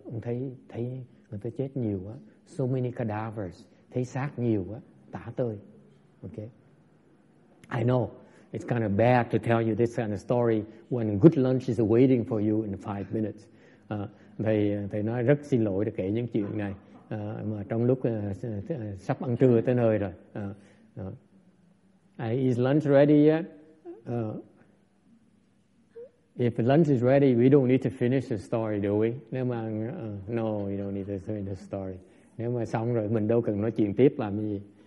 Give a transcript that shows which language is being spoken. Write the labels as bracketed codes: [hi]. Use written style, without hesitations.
[vi] Ông thấy người ta chết nhiều quá. [en] So many cadavers. [vi] Thấy xác nhiều quá. Tả tơi. [en] Okay. I know it's kind of bad to tell you this kind of story when good lunch is waiting for you in 5 minutes. [vi] Thầy nói rất xin lỗi để kể những chuyện này. Mà trong lúc sắp ăn trưa tới nơi rồi. [en] Is lunch ready yet? If lunch is ready, we don't need to finish the story, do we? [vi] Nếu mà [en] no, we don't need to finish the story. [vi] Nếu mà xong rồi mình đâu cần nói chuyện tiếp làm gì.